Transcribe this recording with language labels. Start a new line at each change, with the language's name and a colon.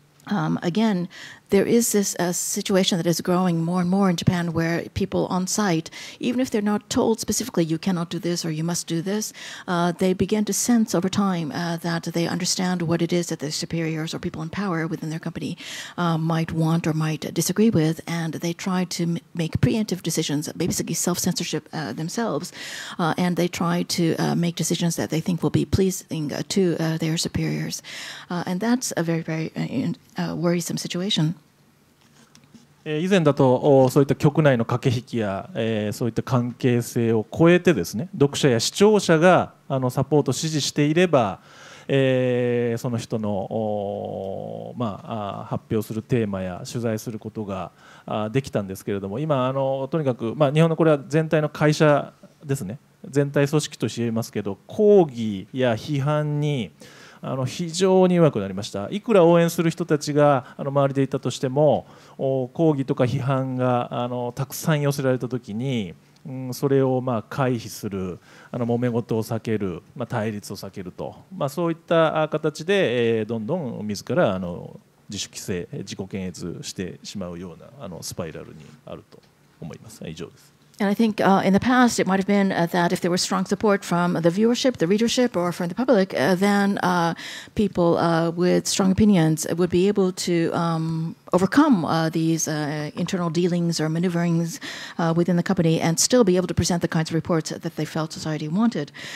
English: Again, there is this situation that is growing more and more in Japan where people on site, even if they're not told specifically you cannot do this or you must do this, they begin to sense over time that they understand what it is that their superiors or people in power within their company might want or might disagree with, and they try to make preemptive decisions, basically self-censorship themselves, and they try to make decisions that they think will be pleasing to their superiors. And that's a very, very worrisome situation.
Japanese: 以前だとそういった局内の駆け引きやそういった関係性を超えてですね、読者や視聴者がサポート支持していればその人の発表するテーマや取材することができたんですけれども、今とにかく日本のこれは全体の会社ですね、全体組織としていますけど、抗議や批判に非常に弱くなりました。いくら応援する人たちが周りでいたとしても、抗議とか批判がたくさん寄せられたときに、それを回避する、揉め事を避ける、対立を避けると、そういった形でどんどん自ら自主規制、自己検閲してしまうようなスパイラルにあると思います。以上です。
English: And I think in the past, it might have been that if there was strong support from the viewership, the readership, or from the public, then people with strong opinions would be able to overcome these internal dealings or maneuverings within the company and still be able to present the kinds of reports that they felt society wanted.